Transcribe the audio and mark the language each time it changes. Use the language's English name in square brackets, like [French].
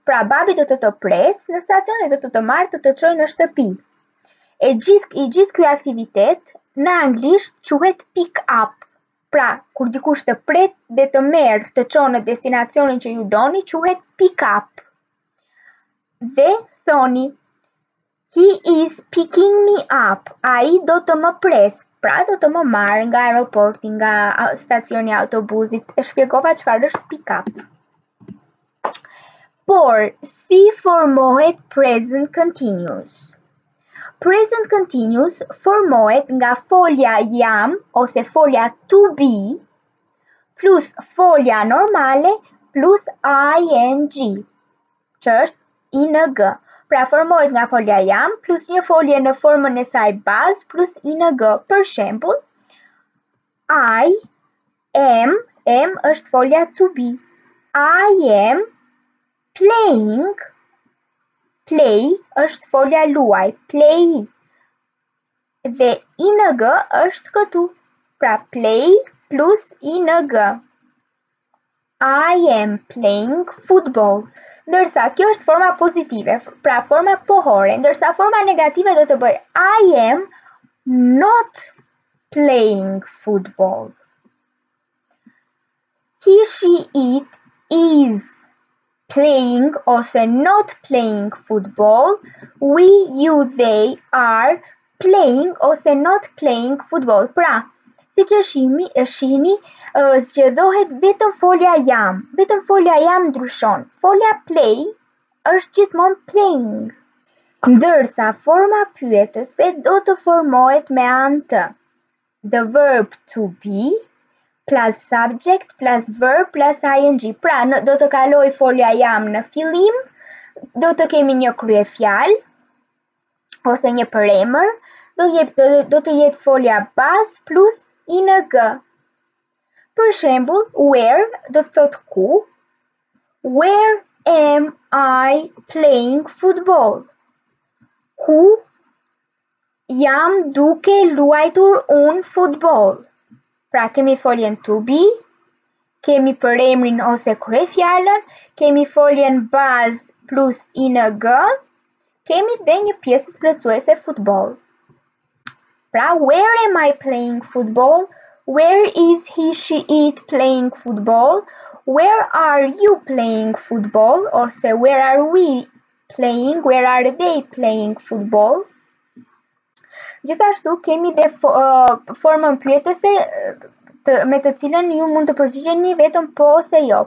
[Albanian] Pra babi do të të pres në stacion e do të të marr të të çojë në shtëpi. I gjithë ky aktivitet në anglisht quhet pick up. Pra, kur dikush të pret dhe të merr, të çon në destinacionin që ju doni, quhet pick up. Dhe thoni, [English] he is picking me up. [Albanian] Ai do të më pres, pra do të më marr nga aeroporti, nga stacioni i autobusit. E shpjegova çfarë është pick up. Por, si formohet present continuous? Present continuous formohet nga folja jam ose folja to be plus folja normale plus ing, që është ing. Pra formohet nga folja jam plus një folje në formën e saj bazë plus ing. Për shembull, I am, am është folja to be. [English] I am playing. [Albanian] Play është folja luaj, play. Dhe ing është këtu, pra play plus ing. [English] I am playing football. [Albanian] Ndërsa kjo është forma pozitive, pra forma pohore, ndërsa forma negative do të bëj [English] I am not playing football. He, she, it is playing ose not playing football, we, you, they are playing ose not playing football. [Albanian] Pra, si që shini, zgjedhohet vetëm folja jam, vetëm folja jam ndryshon. Folja play është gjithmonë playing. Ndërsa, forma pyetëse do të formohet me antë. [English] The verb to be plus subject, plus verb, plus ing. [Albanian] Pra, do të kaloj folja jam në fillim, do të kemi një krye fjal, ose një përemër, do të jetë folja bazë plus ing. Për shembull, where do të thotë ku, [English] where am I playing football? [Albanian] Ku jam duke luajtur un football? Pra kemi foljen to be, kemi përemrin ose kryefjalën, kemi foljen bazë plus ing, kemi dhe një pjesës plotësuese football. [English] Pra where am I playing football? Where is he, she, it playing football? Where are you playing football? Ose where are we playing? Where are they playing football? [Albanian] Gjithashtu kemi dhe formën pyetëse me të cilën ju mund të përgjigjeni vetëm po ose jo.